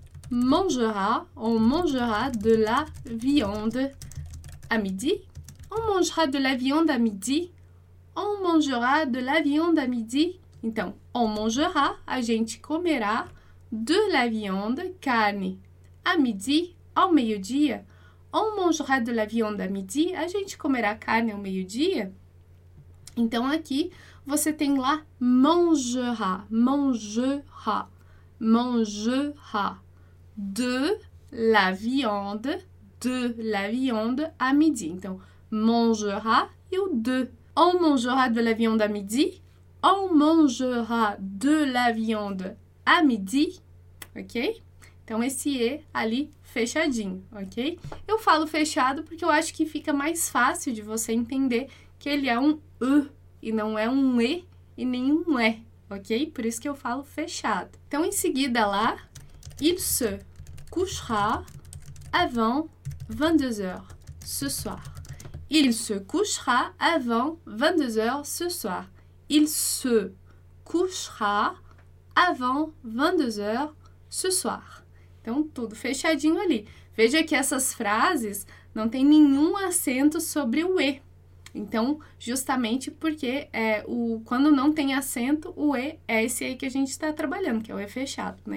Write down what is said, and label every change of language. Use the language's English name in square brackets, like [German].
[French] On mangera de la viande à midi. On mangera de la viande à midi. On mangera de la viande à midi. [Portuguese] Então, [French] on mangera, [Portuguese] a gente comerá [French] de la viande, [Portuguese] carne, [French] à midi, [Portuguese] ao meio-dia. [French] On mangera de la viande à midi, [Portuguese] a gente comerá carne ao meio-dia. Então, aqui você tem lá mangera, mangera, mangera. [French] De la viande, de la viande à midi. [Portuguese] Então, [French] mangera e o de. On mangera de la viande à midi. On mangera de la viande à midi. Ok? [Portuguese] Então, esse E ali fechadinho, ok? Eu falo fechado porque eu acho que fica mais fácil de você entender que ele é um E e não é um E e nem um E, ok? Por isso que eu falo fechado. Então, em seguida lá, [French] il se couchera avant 22h ce soir. Il se couchera avant 22h ce soir. Il se couchera avant 22h ce soir. [Portuguese] Então, tudo fechadinho ali. Veja que essas frases não têm nenhum acento sobre o E. Então, justamente porque quando não tem acento, o E é esse aí que a gente está trabalhando, que é o E fechado, né?